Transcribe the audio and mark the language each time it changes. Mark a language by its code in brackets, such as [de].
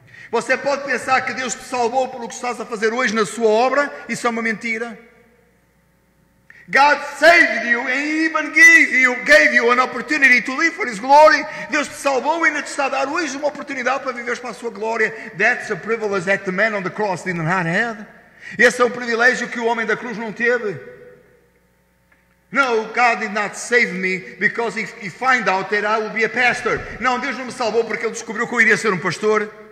[pt] Você pode pensar que Deus te salvou pelo que estás a fazer hoje na sua obra. Isso é uma mentira. [en] God saved you and even gave you an opportunity to live for His glory. [pt] Deus te salvou e ainda te está a dar hoje uma oportunidade para viveres para a sua glória. [en] That's a privilege that the man on the cross did not have. [pt] Esse é um privilégio que o homem da cruz não teve. [en] No, God did not save me because he find out that I will be a pastor. [pt] Não, Deus não me salvou porque ele descobriu que eu iria ser um pastor.